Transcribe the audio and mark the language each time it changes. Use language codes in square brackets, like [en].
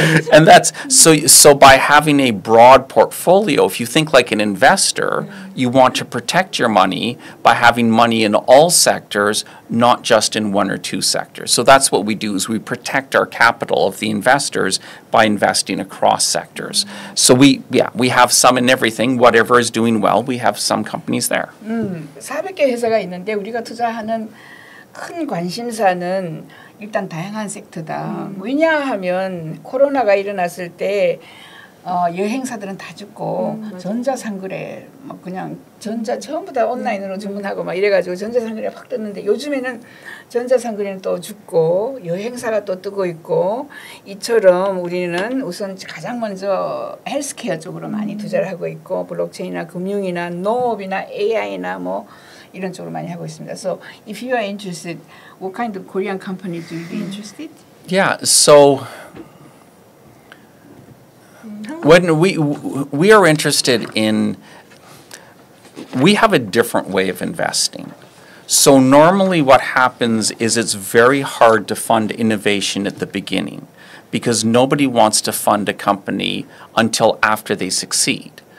[en] And that's so by having a broad portfolio, if you think like an investor, you want to protect your money by having money in all sectors, not just in one or two sectors. So that's what we do is we protect our capital of the investors by investing across sectors. So we have some in everything. Whatever is doing well, we have some companies there. [ko] 400개 회사가 있는데 우리가 투자하는 큰 관심사는 일단 다양한 섹터다. 왜냐하면 코로나가 일어났을 때 여행사들은 다 죽고 전자상거래 막 그냥 전자 전부 다 온라인으로 주문하고 막 이래가지고 전자상거래 확 떴는데 요즘에는 전자상거래는 또 죽고 여행사가 또 뜨고 있고 이처럼 우리는 우선 가장 먼저 헬스케어 쪽으로 많이 투자를 하고 있고 블록체인이나 금융이나 농업이나 AI나 뭐 이런 쪽으로 많이 하고 있습니다. [en] So if you are interested, what kind of Korean companies do you be interested? Yeah, so when we are interested in, we have a different way of investing. So normally what happens is it's very hard to fund innovation at the beginning because nobody wants to fund a company until after they succeed.